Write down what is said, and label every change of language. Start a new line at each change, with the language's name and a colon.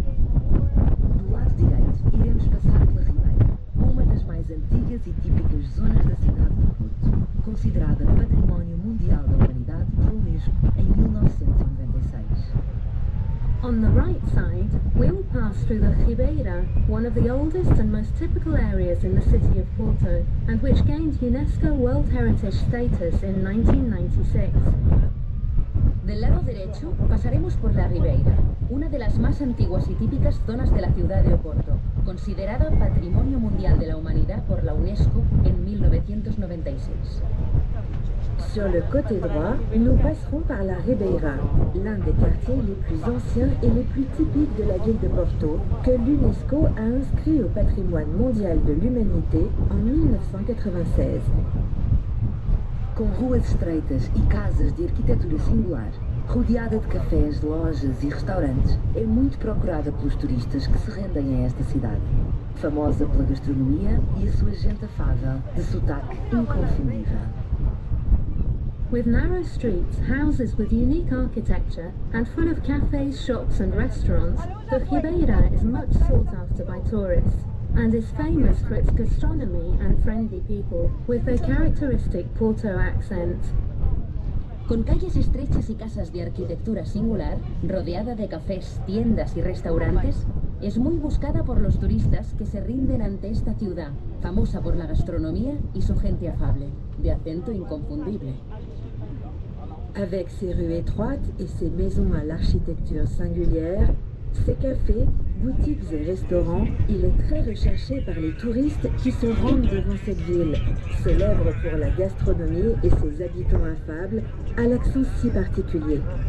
Portuguese: Doar direito, iremos passar pela Ribeira, uma das mais antigas e típicas zonas da cidade de Porto, considerada Património Mundial da Humanidade pelo UNESCO em 1996.
English: On the right side, we will pass through the Ribeira, one of the oldest and most typical areas in the city of Porto, and which gained UNESCO World Heritage status in 1996.
Spanish: Del lado derecho, pasaremos por la Ribeira, una de las más antiguas y típicas zonas de la ciudad de Oporto, considerada Patrimonio Mundial de la Humanidad por la UNESCO en 1996.
French: Sur le côté droit, nous passerons par la Ribeira, l'un des quartiers les plus anciens et les plus typiques de la ville de Porto, que l'UNESCO a inscrit au patrimoine mondial de l'humanité en 1996.
Portuguese: Com ruas estreitas e casas de arquitetura singular, Rodeada de cafés, lojas e restaurantes, é muito procurada pelos turistas que se rendem a esta cidade. Famosa pela gastronomia e a sua gente afável, de sotaque inconfundível.
English: With narrow streets, houses with unique architecture, and full of cafes, shops and restaurants, the Ribeira is much sought after by tourists, and is famous for its gastronomy and friendly people, with their characteristic Porto accent.
Spanish: Con calles estrechas y casas de arquitectura singular, rodeada de cafés, tiendas y restaurantes, es muy buscada por los turistas que se rinden ante esta ciudad, famosa por la gastronomía y su gente afable, de acento inconfundible.
French: Avec ses rues étroites et ses maisons à l'architecture singulière, ses cafés, boutiques et restaurants, il est très recherché par les touristes qui se rendent devant cette ville, célèbre pour la gastronomie et ses habitants affables, à l'accent si particulier.